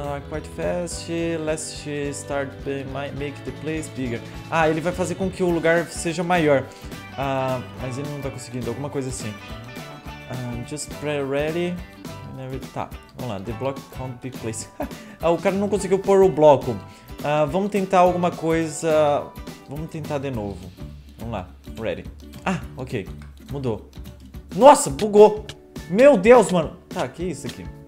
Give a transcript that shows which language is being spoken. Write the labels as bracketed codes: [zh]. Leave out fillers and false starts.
[en] quite fast, let's start make the place bigger. [pt] Ah, ele vai fazer com que o lugar seja maior. Mas ele não tá conseguindo, alguma coisa assim. [en] Just pre-ready. [pt] Tá, vamos lá. [en] The block can't be placed. [pt] O cara não conseguiu pôr o bloco. Vamos tentar alguma coisa. Vamos tentar de novo. Vamos lá, ready. Ah, ok. Mudou. Nossa, bugou. Meu Deus, mano. Tá, que é isso aqui?